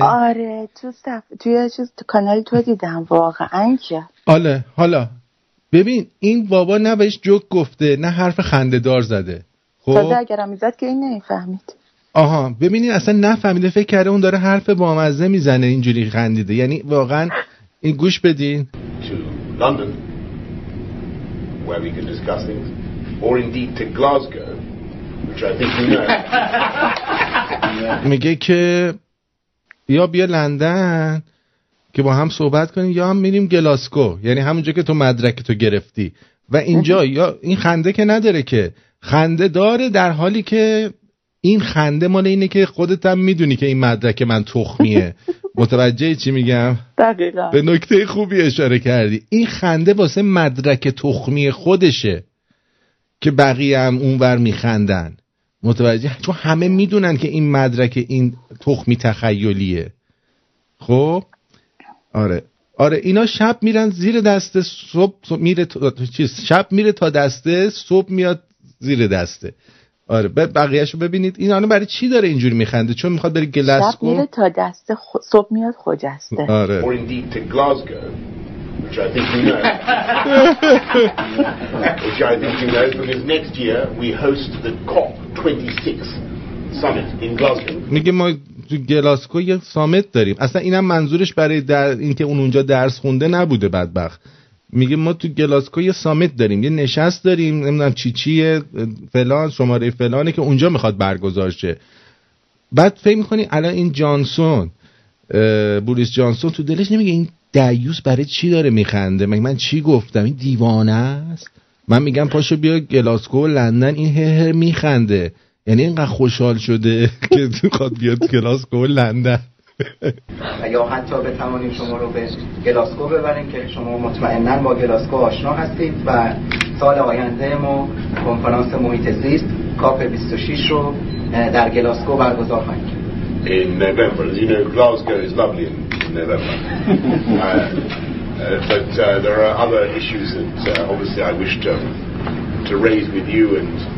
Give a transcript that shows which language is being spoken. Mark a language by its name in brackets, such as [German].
[Persian] آره تو صف توی چیز تو کانال تو دیدم واقعا که آله. حالا ببین این بابا نه بهش جوک گفته نه حرف خنده دار زده، خب تازه اگرم میزد که این نمیفهمید. آها ببینید اصلا نفهمیده، فکر کرده اون داره حرف بامزه میزنه اینجوری خندیده. یعنی واقعا این گوش بدین. [English] To London where we can discuss things, or indeed to Glasgow which I think you know. [Persian] میگه که یا بیا لندن که با هم صحبت کنیم، یا هم میریم گلاسکو، یعنی همونجا که تو مدرک تو گرفتی. و اینجا یا این خنده که نداره، که خنده داره در حالی که این خنده مال اینه که خودت هم میدونی که این مدرک من تخمیه. متوجه چی میگم؟ دقیقا به نکته خوبی اشاره کردی. این خنده واسه مدرک تخمی خودشه که بقیه هم اونور میخندن. متوجه؟ چون همه میدونن که این مدرک این تخمی تخیلیه. خب؟ آره آره. اینا شب میرن زیر دسته، صبح میره شب میره تا دسته، صبح میاد زیر دسته. آره بقیهشو ببینید. این آنو برای چی داره اینجوری میخنده؟ چون میخواد بری گلاسکو. شب میره تا دست صبح میاد خوجسته. آره. [English] Or indeed to Glasgow, which I think you know. Which I think you know, because next year we host the COP26 summit in Glasgow. [Persian] میگه ما تو گلاسکو یه سامیت داریم. اصلا اینم منظورش برای در اینکه اون اونجا درس خونده نبوده بدبخت. میگه ما تو گلاسکو یه سامیت داریم، یه نشست داریم، نمیدونم چی چیه فلان، شماره فلانه که اونجا میخواد برگزار شه. بعد فهم میکنی الان این جانسون، بوریس جانسون، تو دلش نمیگه این دیوس برای چی داره میخنده؟ مگه من چی گفتم؟ این دیوانه است؟ من میگم پاشو بیا گلاسکو و لندن، این هر میخنده. یعنی اینقدر خوشحال شده که تو خواد بیاد گلاسکو و لندن. یا حتی بتوانیم شما رو به گلاسکو ببریم که شما مطمئنن با گلاسکو آشنا هستید و سال آینده ما کنفرانس محیط زیست COP26 رو در گلاسکو برگزار خواهیم کرد. [English] In November, as you know, Glasgow is lovely in November. But there are other issues that obviously I wish to raise with you and